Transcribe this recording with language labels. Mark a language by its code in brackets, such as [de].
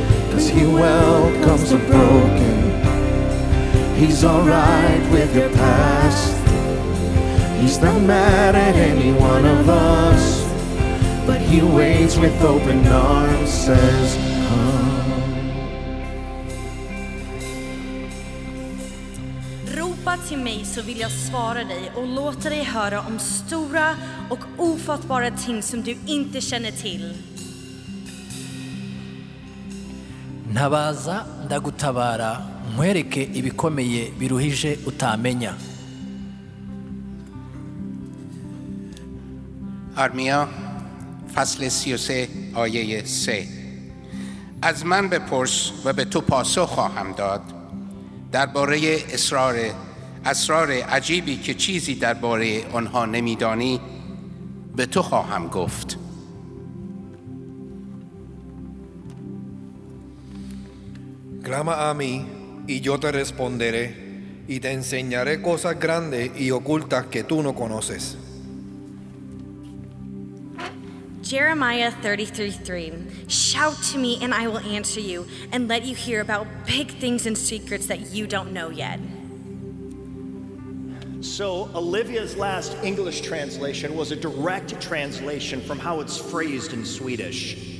[en] 'Cause He welcomes the broken. He's alright with your past. He's not mad at any one of us, but He waits with open arms, says, come. [sv] Till mig så vill jag svara dig och låta dig höra om stora och ofattbara ting som du inte känner till. [rw] Nabaza ndagutabara nkwereke ibikomeye biruhije utamenya. [fa] Armia fasle 33 آیه 3. از من بپرس و به تو پاسخ خواهم داد درباره اسرار عجیبی که چیزی درباره آنها نمیدانی به تو خواهم گفت. [es] Clama a mí y yo te responderé y te enseñaré cosas grandes y ocultas que tú no conoces. [en] Jeremiah 33:3. Shout to me and I will answer you and let you hear about big things and secrets that you don't know yet. So Olivia's last English translation was a direct translation from how it's phrased in Swedish.